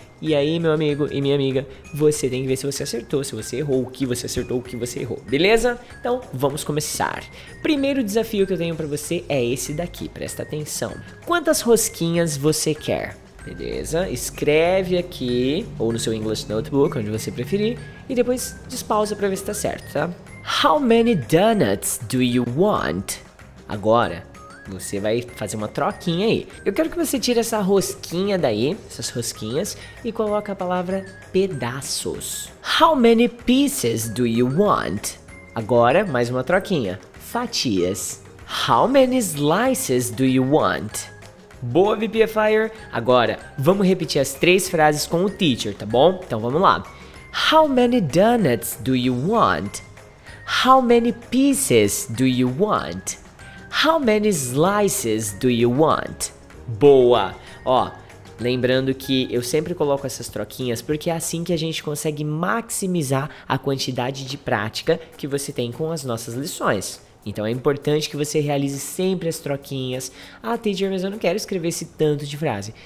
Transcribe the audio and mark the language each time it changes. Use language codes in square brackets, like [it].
[pt] E aí, meu amigo e minha amiga, você tem que ver se você acertou, se você errou, o que você acertou, o que você errou. Beleza? Então, vamos começar. Primeiro desafio que eu tenho pra você é esse daqui. Presta atenção. Quantas rosquinhas você quer? Beleza, escreve aqui, ou no seu English Notebook, onde você preferir, e depois despausa pra ver se tá certo, tá? [en] How many donuts do you want? [pt] Agora, você vai fazer uma troquinha aí. Eu quero que você tire essa rosquinha daí, essas rosquinhas, e coloque a palavra pedaços. [en] How many pieces do you want? [pt] Agora, mais uma troquinha, fatias. [en] How many slices do you want? [pt] Boa, VPFIer! Agora, vamos repetir as 3 frases com o teacher, tá bom? Então, vamos lá. [en] How many donuts do you want? How many pieces do you want? How many slices do you want? [pt] Boa! Ó, lembrando que eu sempre coloco essas troquinhas porque é assim que a gente consegue maximizar a quantidade de prática que você tem com as nossas lições. Então é importante que você realize sempre as troquinhas. Ah, teacher, mas eu não quero escrever esse tanto de frase.